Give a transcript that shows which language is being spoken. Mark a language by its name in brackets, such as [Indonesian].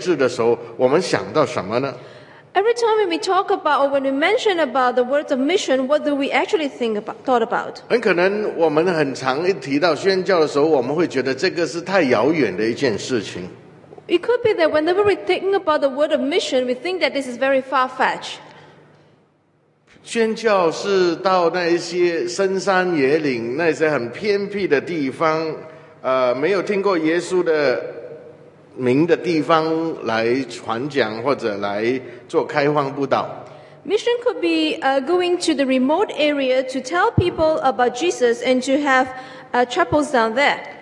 [Chinese] 每当我们讲到宣教的时候，我们提到宣教这个字的时候，我们想到什么呢？ [English] Every time when we talk about or when we mention about the words of mission, what do we actually think about, thought about? [Chinese] 很可能我们很常一提到宣教的时候，我们会觉得这个是太遥远的一件事情。 [English] It could be that whenever we think about the word of mission, we think that this is very far-fetched. [Chinese] 宣教是到那一些深山野岭、那些很偏僻的地方，没有听过耶稣的名的地方来传讲或者来做开荒布道。Mission [English] could be going to the remote area to tell people about Jesus and to have chapels down there.